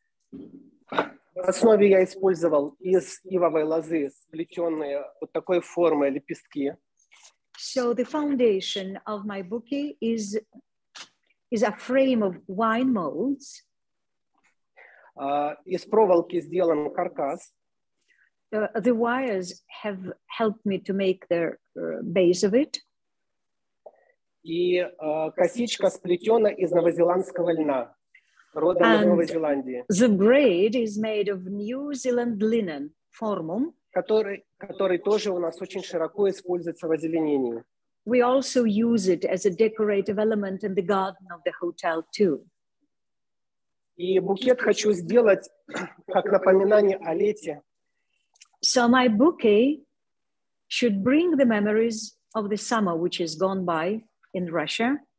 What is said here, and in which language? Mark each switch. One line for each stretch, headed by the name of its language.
Russian: В основе я использовал из ивовой лозы сплетенные вот такой формы лепестки.
English: So the foundation of my bouquet is a frame of wine molds.
Russian: Из проволоки сделан каркас.
English: The wires have helped me to make the base of it.
Russian: И косичка сплетена из новозеландского льна.
English: And the braid is made of New Zealand linen, formum,
Russian: который тоже у нас очень широко используется в озеленении.
English: We also use it as a decorative element in the garden of the hotel too.
Russian: И букет хочу сделать как напоминание о лете.
English: So my bouquet should bring the memories of the summer which has gone by in Russia.